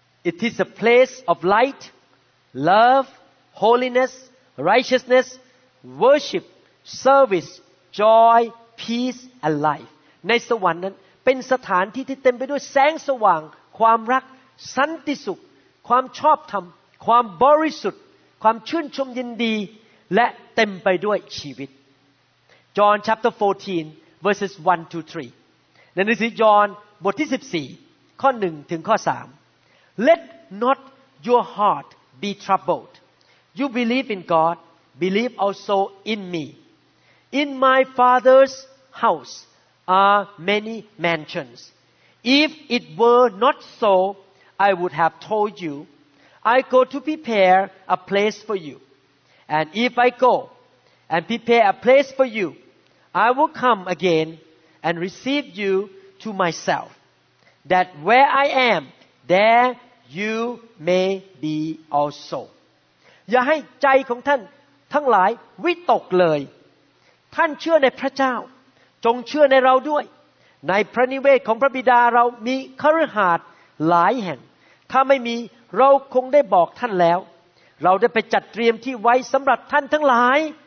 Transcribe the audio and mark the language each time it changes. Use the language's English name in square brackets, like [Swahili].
[English] it is a place of light love holiness righteousness worship service joy peace and life [Thai] ในสวรรค์นั้นเป็นสถานที่ที่เต็มไปด้วยแสงสว่างความรักสันติสุขความชอบธรรมความบริสุทธิ์ความชื่นชมยินดีและเต็มไปด้วยชีวิต [English] John chapter 14 verses 1 to 3. [Thai] ในหนังสือยอห์นบทที่14ข้อ1ถึงข้อ3. [English] Let not your heart be troubled. You believe in God, believe also in me. In my Father's house are many mansions. If it were not so, I would have told you. I go to prepare a place for you. And if I go and prepare a place for youI will come again and receive you to myself, that where I am, there you may be also. [Thai] อย่าให้ใจของท่านทั้งหลายวิตกเลยท่านเชื่อในพระเจ้าจงเชื่อในเราด้วย ในพระนิเวศของพระบิดาเรามีคฤหาสน์หลายแห่งถ้าไม่มีเราคงได้บอกท่านแล้วเราได้ไปจัดเตรียมที่ไว้สำหรับท่านทั้งหลาย